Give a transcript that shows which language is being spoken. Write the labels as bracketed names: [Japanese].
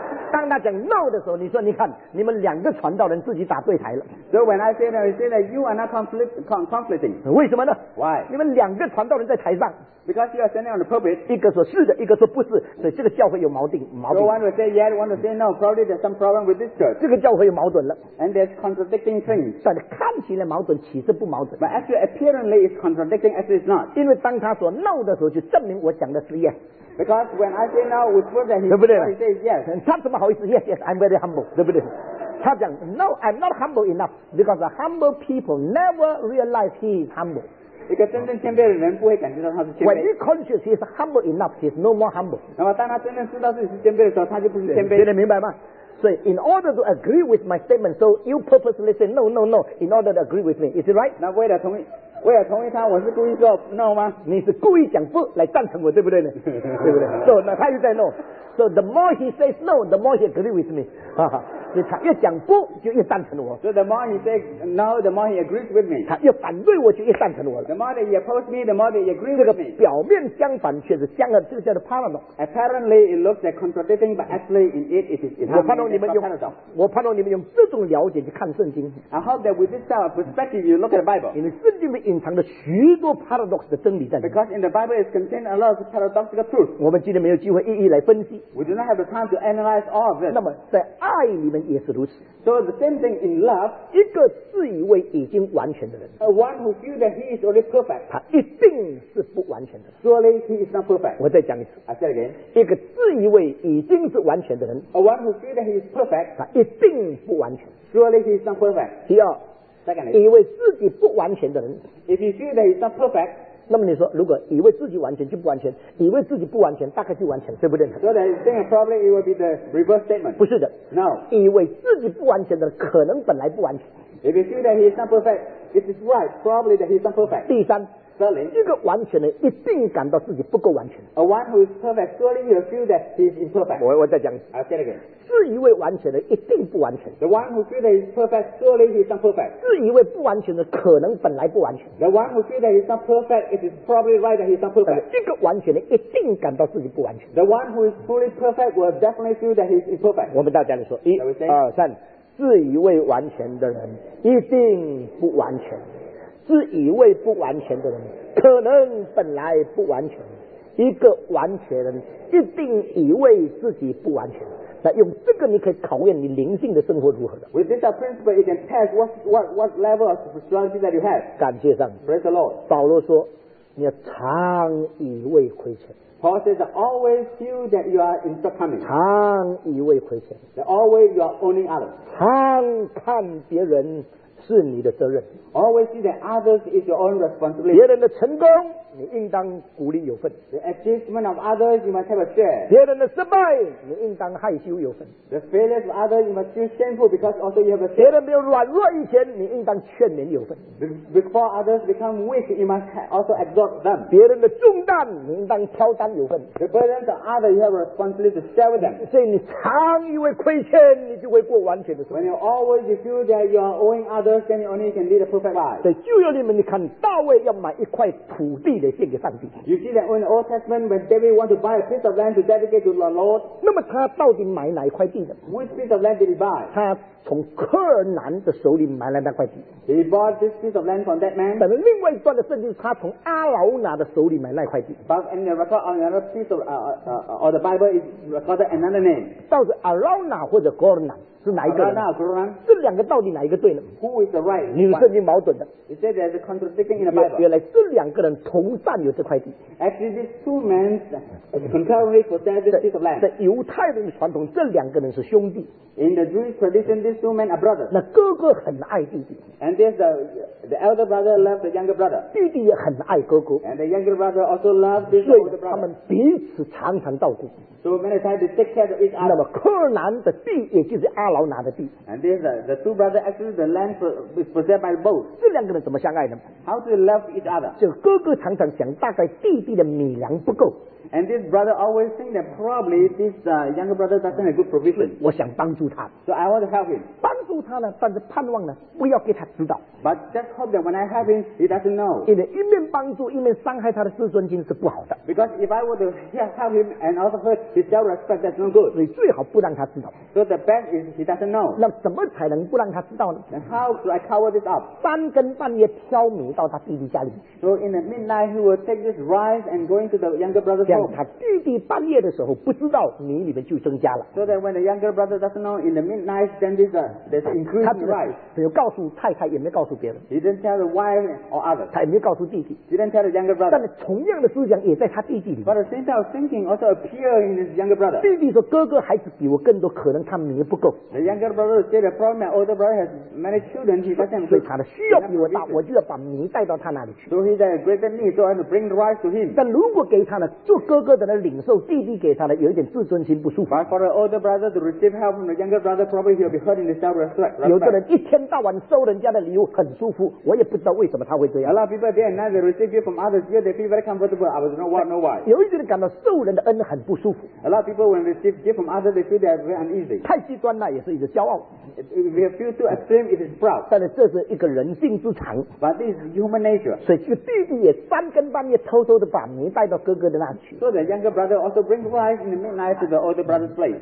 [Chinese] 当他讲 no 的时候，你说你看，你们两个传道人自己打对台了。 [English] So when I say that, I say that you are not conflicting. [Chinese] 为什么呢？ [English] Why? [Chinese] 你们两个传道人在台上。 [English] Because you are standing on the pulpit. [Chinese] 一个说是的，一个说不是，所以这个教会有矛盾。 [English] So one will say yes, one will say no. Probably there's some problem with this church. [Chinese] 这个教会有矛盾了。 [English] And there's contradicting things. [Chinese] 但看起来矛盾，其实不矛盾。 [English] But actually, apparently it's contradicting, actually it's not. [Chinese] 因为当他说 no 的时候，就证明我讲的是 yes。 [English] Because when I say no, with words that he says yes. [Chinese] 他怎么好意思 [English] ？Yes, yes, I'm very humble, [Chinese] 对不对？他讲 [English] No, I'm not humble enough because humble people never realize he is humble. [Chinese] 一个真正谦卑的人不会感觉到他是谦卑。 [English] When he conscious he is humble enough, he is no more humble. [Chinese] 那么当他真正知道自己是谦卑的时候，他就不是谦卑。现在明白吗？ [English] So in order to agree with my statement, so you purposely say no, no, no, in order to agree with me. Is it right? [Chinese] 那为了同意，为了同意他，我是故意说 no 吗？你是故意讲不来赞成我，对不对呢？对不对？所以那他又在 no. [English] So the more he says no, the more he agree with me. [Chinese] 所以他越讲不就越赞成我。 [English] So the more he says no, the more he agrees with me. [Chinese] 他越反对我就越赞成我了。 [English] The more that he opposes me, the more that he agrees with me. [Chinese] 这个表面相反却是相合，这个叫做 paradox. [English] Apparently it looks like contradicting, but actually in it it is in harmony. [Chinese] 我盼望你们用这种了解去看圣经。 [English] I hope that with this type of perspective you look at the Bible. [Chinese] 因为圣经里隐藏着许多 paradox 的真理在里面。 [English] Because in the Bible is contained a lot of paradoxical truth. [Chinese] 我们今天没有机会一一来分析。 [English] We do not have the time to analyze all of this. [Chinese] 那么在爱里面也是如此。 [English] So the same thing in love. [Chinese] 一个自以为已经完全的人。 [English] A one who feels that he is already perfect. [Chinese] 他一定是不完全的。 [English] Surely he is not perfect. [Chinese] 我再讲一次。 [English] I say again. [Chinese] 一个自以为已经是完全的人。 [English] A one who feels that he is perfect. [Chinese] 他一定不完全。 [English] Surely he is not perfect. [Chinese] 第二。以为自己不完全的人 [English] ，If you feel that he's not perfect， [Chinese] 那么你说，如果以为自己完全就不完全，以为自己不完全大概就完全，对不对 [English] ？So that thing probably it will be the reverse statement。 [Chinese] 不是的 [English] ，No， [Chinese] 以为自己不完全的人可能本来不完全。 [English] If you feel that he's not perfect， it is right probably that he's not perfect。 [Chinese] 第三。 [English] Surely, [Chinese] 一个完全的一定感到自己不够完全。 [English] A one who is perfect, surely you feel that he is imperfect. [Chinese] 我再讲。 [English] I'll say again. [Chinese] 自以为完全的一定不完全。 [English] The one who feels that he is perfect, surely he is not perfect. [Chinese] 自以为不完全的可能本来不完全。 [English] The one who feels that he is not perfect, it is probably right that he is not perfect. [Chinese] 一个完全的一定感到自己不完全。 [English] The one who is fully perfect will definitely feel that he is imperfect. [Chinese] 我们大家来说，一、二、三，自以为完全的人一定不完全。自以为不完全的人，可能本来不完全。一个完全人一定以为自己不完全，那用这个你可以考验你灵性的生活如何的。 [English] With this principle, you can test what level of spirituality that you have. [Chinese] 感谢上帝。 [English] Praise the Lord. [Chinese] 保罗说，你要常以为亏欠。 [English] Paul says, always feel that you are in shortcoming. [Chinese] 常以为亏欠。 [English] That always you are owning others. [Chinese] 常看别人是你的责任。 [English] Always see that others is your own responsibility. [Chinese] 别人的成功。你应当鼓励有份。 [English] The achievement of others, you must have a share. [Chinese] 别人的失败，你应当害羞有份。 [English] The failures of others, you must feel shameful because also you have a share. [Chinese] 别人没有软弱以前，你应当劝勉有份。 [English] Before others become weak, you must also exhort them. [Chinese] 别人的重担，你应当挑担有份。 [English] The burdens of others, you have a responsibility to share with them. [Chinese] 所以你常以为亏欠，你就会过完全的生活。 [English] When you always feel that you are owing others, then you only can lead a perfect life. [Chinese] 在旧约里面，你看大卫要买一块土地。 [English] You see that in the Old Testament, when David wanted to buy a piece of land to dedicate to the Lord, [Chinese] 那么他到底买哪一块地的？ [English] Which piece of land did he buy? [Chinese] 他从克南的手里买了那块地。 [English] He bought this piece of land from that man. [Chinese] 但是另外一段的圣经，他从阿劳拿的手里买那块地。 [English] But in the record, another piece of or the Bible is recorded another name. [Chinese] 到底阿劳拿或者戈南？是哪一个人？这两个到底哪一个对呢？ [English] Who is the right? [Chinese] 你有圣经矛盾的。 [English] He said there's a contradiction in the Bible. [Chinese] 原来这两个人同占有这块地。 [English] Actually, these two men concurrently possess this piece of land. [Chinese] 在犹太人的传统，这两个人是兄弟。 [English] In the Jewish tradition, these two men are brothers. [Chinese] 那哥哥很爱弟弟。 [English] And there's the elder brother loves the younger brother. [Chinese] 弟弟也很爱哥哥。 [English] And the younger brother also loves this older brother. [Chinese] 所以他们彼此常常照顾。 [English] So many times they take care of each other. [Chinese] 那么柯南的地，也就是阿劳拿的地。 [English] And this, the two brothers actually the land is possessed by both. [Chinese] 这两个人怎么相爱呢？ [English] How do they love each other? [Chinese] 就哥哥常常想，大概弟弟的米粮不够。 [English] And this brother always thinks that probably this younger brother doesn't have good provision. [Chinese] 我想帮助他。 [English] So I want to help him. [Chinese] 帮助他呢，但是盼望呢，不要给他知道。 [English] But just hope that when I help him, he doesn't know. [Chinese] 因为一面帮助，一面伤害他的自尊心是不好的。 [English] Because if I were to help him and also hurt his self-respect, that's no good. [Chinese] 你最好不让他知道。 [English] So the best is he doesn't know. [Chinese] 那怎么才能不让他知道呢？ [English] And how do I cover this up? [Chinese] 三更半夜飘米到他弟弟家里。 [English] So in the midnight, he will take this rice and go into the younger brother's home. [Chinese] 他弟弟半夜的时候不知道米里面就增加了。 [English] So that when the younger brother doesn't know in the midnight, then there's increasing rice. [Chinese] 他只有告诉太太，也没告诉别人。 [English] He didn't tell the wife or others. [Chinese] 他也没告诉弟弟。 [English] He didn't tell the younger brother. [Chinese] 但是同样的思想也在他弟弟里。 [English] But the same type of thinking also appears in his younger brother. [Chinese] 弟弟说：“哥哥孩子比我更多，可能他米不够。” [English] The younger brother said, "Probably my older brother has many children. He doesn't have." [Chinese] 所以他的需要比我大，我就要把米带到他那里去。 [English] So he's a greater need, so I have to bring the rice to him. [Chinese] 但如果给他了，做哥哥的来领受，弟弟给他了，有一点自尊心不舒服。 [English] But for the older brother to receive help from the younger brother, probably he'll be hurting his self-respect. [Chinese] 有的人一天到晚收人家的礼物很舒服，我也不知道为什么他会这样。 [English] A lot of people there and now they receive gift from others, yet they feel very comfortable. I don't know why. [Chinese] 有一些人感到受人的恩很不舒服。 [English] A lot of people when they receive gift from others, they feel they are very uneasy. [Chinese] 太极端了也是一个骄傲。 [English] If you feel too extreme, it is proud. [Chinese] 但是这是一个人性之常。 [English] But this is human nature. [Chinese] 所以这个弟弟也三更半夜偷偷的把米带到哥哥的那去。 [English] So the younger brother also brings rice in the midnight to the older brother's place.